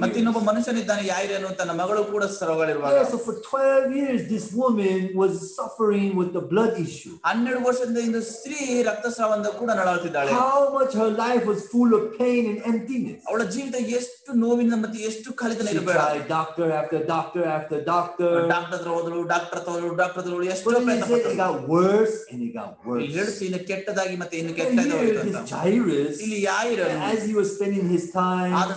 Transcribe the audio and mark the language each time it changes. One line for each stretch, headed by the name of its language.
Kannada: ಮತ್ತೆ ಇನ್ನೊಬ್ಬ ಮನುಷ್ಯನಿದ್ದಾನೆ ಯಾರೇನು ತನ್ನ ಮಗಳು ಕೂಡ ಸರೋಗಳಿರುವಾಗ.
English: So for 12 years this woman was suffering with the blood issue.
Kannada: 12 ವರ್ಷದಿಂದ ಈ ಸ್ತ್ರೀ ರಕ್ತಸ್ರಾವದಿಂದ ಕೂಡ ನರಳುತ್ತಿದ್ದಾಳೆ.
English: How much her life was full of pain and emptiness.
Kannada: ಅವಳ ಜೀವಿತ ಎಷ್ಟು ನೋವಿನ ಮತ್ತೆ ಎಷ್ಟು ಖಾಲಿತನ ಇರಬೇಡ.
English: Doctor after doctor after doctor.
Kannada: Doctor ತರೋದು ಎಷ್ಟು ಪ್ರಯತ್ನ ಪಟ್ಟರು.
English: It got worse and it got worse.
Kannada: ಕೆಟ್ಟದಾಗಿ ಮತ್ತೆ ಇನ್ನು ಕೆಟ್ಟದಾಗಿ. ಇಲ್ಲಿ ಯಾರು
English: as he was spending his time